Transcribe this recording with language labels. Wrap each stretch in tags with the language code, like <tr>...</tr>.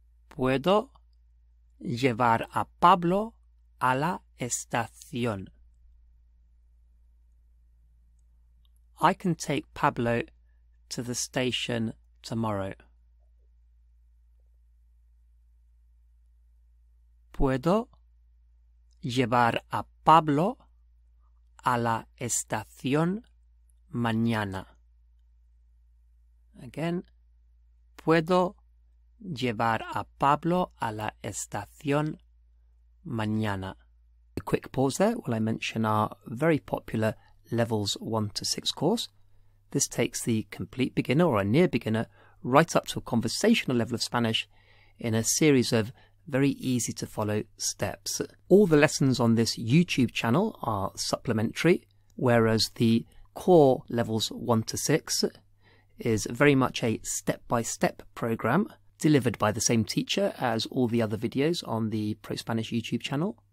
<es>Puedo llevar a Pablo a la estación.</es> <en>I can take Pablo to the station tomorrow.</en> <es>Puedo llevar a Pablo a la estación mañana. Again, puedo llevar a Pablo a la estación mañana.</es> <en>A quick pause there while I mention our very popular Levels 1 to 6 course. This takes the complete beginner or a near beginner right up to a conversational level of Spanish in a series of very easy to follow steps. All the lessons on this YouTube channel are supplementary, whereas the core Levels 1 to 6 is very much a step-by-step program delivered by the same teacher as all the other videos on the ProSpanish YouTube channel.</en>